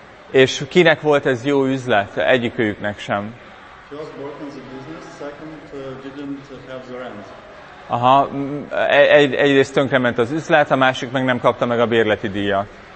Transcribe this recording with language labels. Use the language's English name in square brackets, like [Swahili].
[Hungarian] És kinek volt ez jó üzlet? Egyikőjüknek sem. [English] First broken the business, second didn't have the rent. [Hungarian] Aha, egyrészt tönkrement az üzlet, a másik meg nem kapta meg a bérleti díjat.